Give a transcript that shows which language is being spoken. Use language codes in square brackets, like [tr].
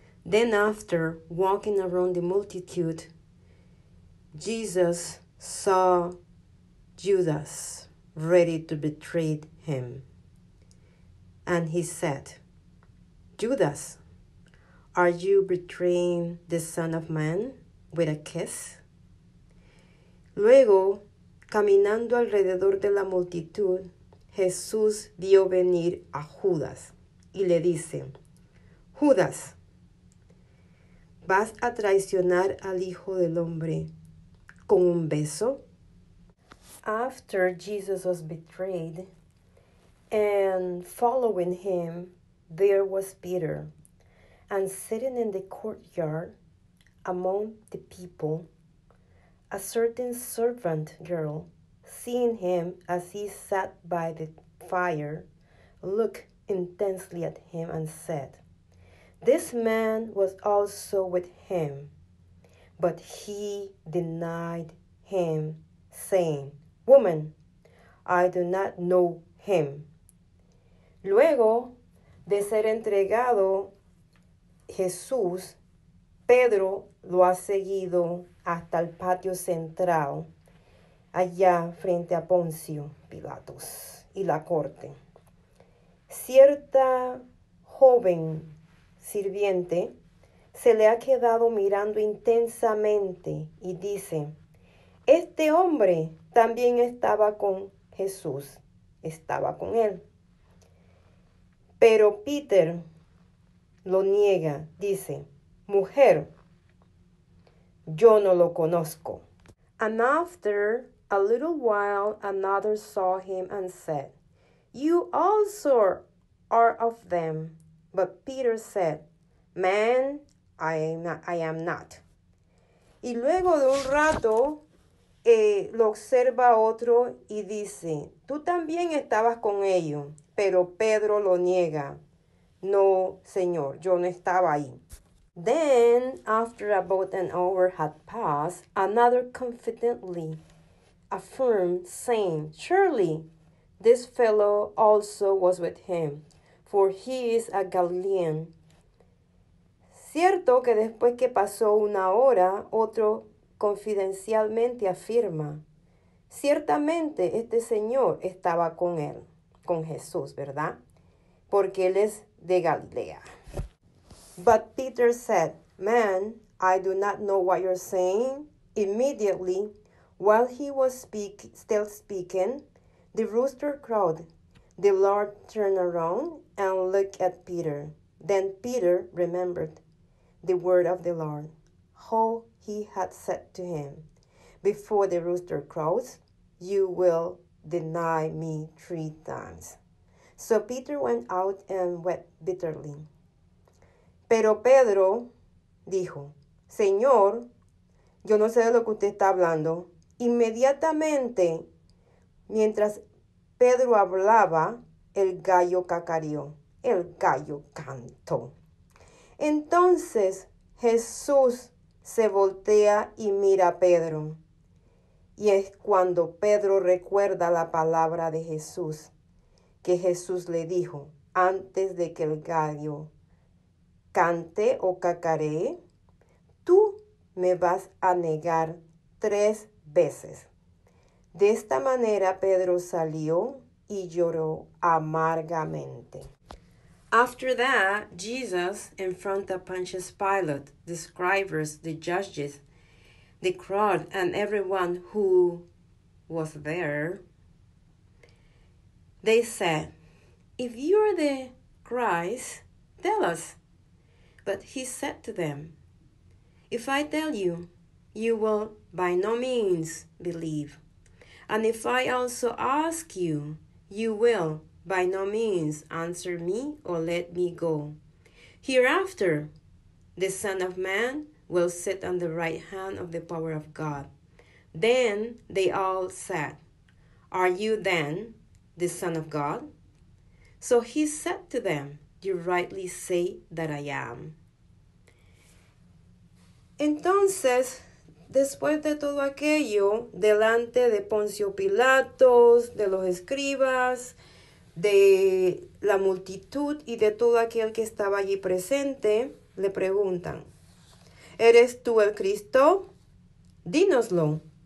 [en] Then after walking around the multitude, Jesus saw Judas ready to betray him. And he said, Judas, are you betraying the Son of Man with a kiss? [es] Luego, caminando alrededor de la multitud, Jesús vio venir a Judas y le dice, Judas, ¿vas a traicionar al Hijo del Hombre con un beso? [en] After Jesus was betrayed and following him, there was Peter, and sitting in the courtyard among the people, a certain servant girl, seeing him as he sat by the fire, looked intensely at him and said, This man was also with him. But he denied him, saying, Woman, I do not know him. [es] Luego de ser entregado Jesús, Pedro lo ha seguido hasta el patio central, allá frente a Poncio Pilatos y la corte. Cierta joven sirviente se le ha quedado mirando intensamente y dice, Este hombre también estaba con Jesús, estaba con él. Pero Peter lo niega, dice, Mujer, yo no lo conozco. [en] And after a little while, another saw him and said, You also are of them. But Peter said, Man, I am not. [es] Y luego de un rato, lo observa otro y dice, Tú también estabas con ellos. Pero Pedro lo niega. No, señor, yo no estaba ahí. [en] Then, after about an hour had passed, another confidently affirmed, saying, Surely this fellow also was with him, for he is a Galilean. [es] Cierto que después que pasó una hora, otro confidencialmente afirma, ciertamente este señor estaba con él, con Jesús, ¿verdad? Porque él es de Galilea. [en] But Peter said, Man, I do not know what you're saying. Immediately, while he was still speaking, the rooster crowed. The Lord turned around and looked at Peter. Then Peter remembered the word of the Lord, how he had said to him, Before the rooster crows, you will deny me three times. So Peter went out and wept bitterly. [es] Pero Pedro dijo, Señor, yo no sé de lo que usted está hablando. Inmediatamente, mientras Pedro hablaba, el gallo cacareó, el gallo cantó. Entonces Jesús se voltea y mira a Pedro. Y es cuando Pedro recuerda la palabra de Jesús, que Jesús le dijo antes de que el gallo cante o cacaree, tú me vas a negar tres veces. De esta manera Pedro salió y lloró amargamente. [en] After that, Jesus, in front of Pontius Pilate, the scribes, the judges, the crowd, and everyone who was there, they said, If you are the Christ, tell us. But he said to them, If I tell you, you will by no means believe. And if I also ask you, you will by no means answer me or let me go. Hereafter, the Son of Man will sit on the right hand of the power of God. Then they all said, Are you then the Son of God? So he said to them, You rightly say that I am. [es] Entonces, Después de todo aquello, delante de Poncio Pilatos, de los escribas, de la multitud y de todo aquel que estaba allí presente, le preguntan: ¿Eres tú el Cristo? Dínoslo.